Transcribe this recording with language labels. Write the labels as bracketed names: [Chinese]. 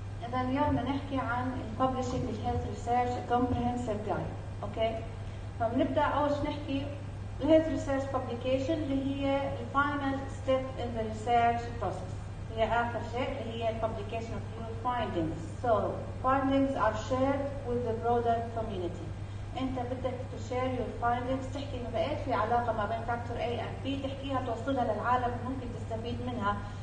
[Arabic] إذن اليوم نحكي عن الـ [English] Publishing the Health Research Comprehensive Guide. [Arabic] أوكي؟ فبنبدأ أول شيء نحكي الـ [English] Health Research Publication [Arabic] اللي هي الـ [English] Final Step in the Research Process. [Arabic] هي آخر شيء اللي هي الـ [English] Publication of your findings. So, findings are shared with the broader community. [Arabic] أنت بدك تشير [English] your findings [Arabic] تحكي إنه بقيت في علاقة ما بين [English] Factor A and B [Arabic] تحكيها توصلها للعالم ممكن تستفيد منها.